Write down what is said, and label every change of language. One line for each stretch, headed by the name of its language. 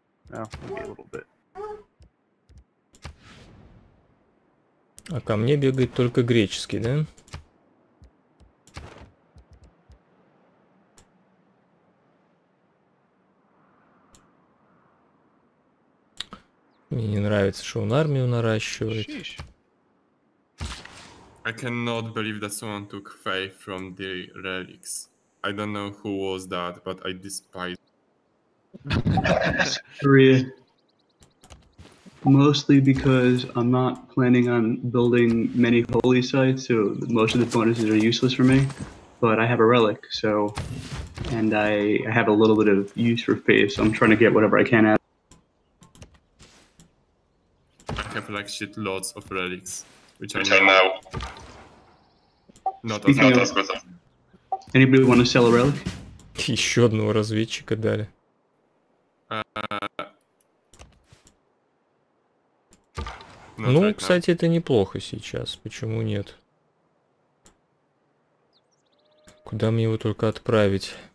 Russian: А ко мне бегает только греческий, да? Мне не нравится, что он армию наращивает.
English: I cannot believe that someone took faith from the relics. I don't know who was that, but I despise. Korea. Mostly because I'm not planning on building many holy sites, so most of the bonuses are useless for me. But I have a relic, so, and I have a little bit of use for faith, so I'm trying to get whatever I can out. I have like shit lots of relics, which I know. Not as good as. Anybody want to sell a relic?
Russian: Еще одного разведчика дали. Ну, кстати, это неплохо сейчас. Почему нет? Куда мне его только отправить?